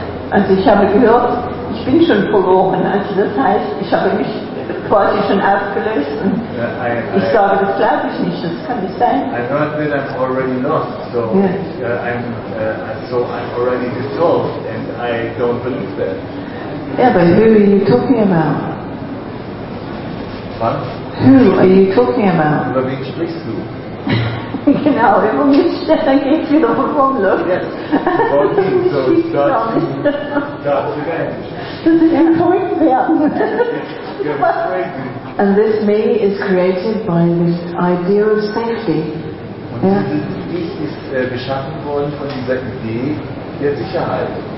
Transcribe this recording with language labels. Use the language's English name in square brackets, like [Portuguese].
[German] Also ich habe gehört, ich bin schon verloren. Also das heißt, ich habe mich quasi schon aufgelöst. Und ich sage, das glaube ich nicht. Das kann nicht sein. [English] I heard that I'm already lost, so I'm already dissolved, and I don't believe that. Yeah, but who are you talking about? What? Who are you talking about? [German] Über wen sprichst du? Genau, über mich, dann geht's wieder von vorne los. [English] Yes. [German] Das ist ein Punkt werden. [English] And this me is created by this idea of safety. [German] Und dieses Ich ist geschaffen worden von dieser Idee der Sicherheit.